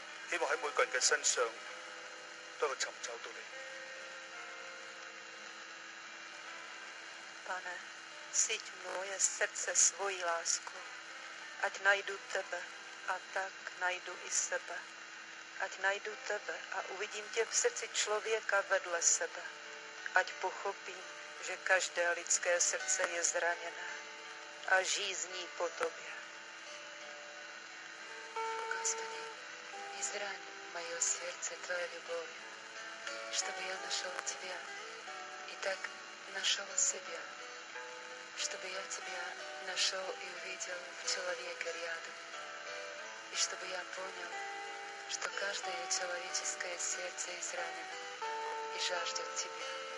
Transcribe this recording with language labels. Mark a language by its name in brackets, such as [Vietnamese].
[Cantonese] 希望喺每个人嘅身上都能寻找到你。 [Czech] Pane, siť moje srdce svoji lásku, ať najdu tebe a tak najdu i sebe. Ať najdu tebe a uvidím tě v srdci člověka vedle sebe. Ať pochopím, že každé lidské srdce je zraněné, a žízní po tobě. [Russian] Господи, израни моё сердце твоей любовью, чтобы я нашёл тебя и так нашёл себя, чтобы я тебя нашёл и увидел в человеке рядом, и чтобы я понял, что каждое человеческое сердце изранено и жаждет тебя.